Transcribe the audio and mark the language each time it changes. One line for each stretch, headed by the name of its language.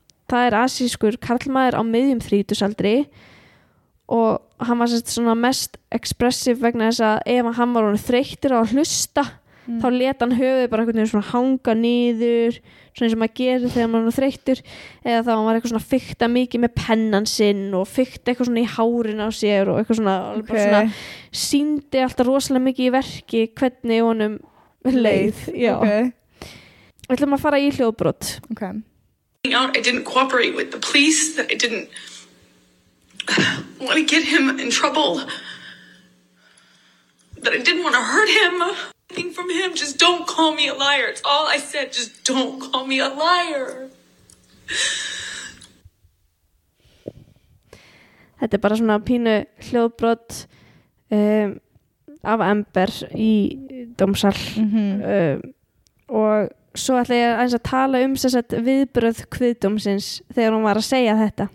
Icelandic: Það er asískur karlmaður á miðjum 30-aldri og hann var sérst svona mest expressive vegna þess að ef hann var honum þreyttur á að hlusta þá leta hann höfuði bara einhvern veginn svona hanga niður svona eins og maður gerir þegar maður þreyttur eða þá var eitthvað svona fykta mikið með pennan sinn og fykta eitthvað svona í hárin á sér og eitthvað svona, okay. svona síndi alltaf rosalega mikið í verki hvernig honum leið, já. Okay. Ætlum að fara í hljóðbrot. Okay.
English: I didn't cooperate with the police, that I didn't want to get him in trouble, that I didn't want to hurt him, anything from him, just don't call me a liar. It's all I said, just don't call me a liar.
Icelandic: Þetta er bara svona pínu hljóðbrot af Amber í dómsal og svo ætla ég aðeins að tala þess að viðbrögð kviðdómsins þegar hún var að segja þetta.